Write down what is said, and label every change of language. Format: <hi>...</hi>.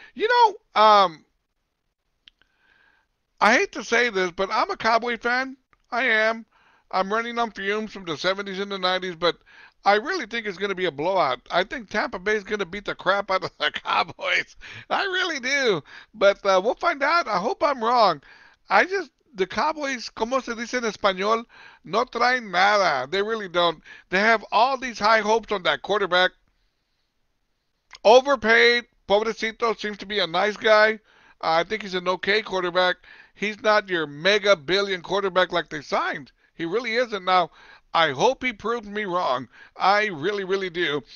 <en>You know, I hate to say this, but I'm a Cowboy fan. I am. I'm running on fumes from the 70s and the 90s, but I really think it's going to be a blowout. I think Tampa Bay is going to beat the crap out of the Cowboys. I really do. But we'll find out. I hope I'm wrong.</en> <es>The Cowboys, como se dice en español, no traen nada.</es> <en>They really don't. They have all these high hopes on that quarterback. Overpaid, pobrecito, seems to be a nice guy. I think he's an okay quarterback. He's not your mega billion quarterback like they signed. He really isn't. Now, I hope he proved me wrong. I really, really do.</en>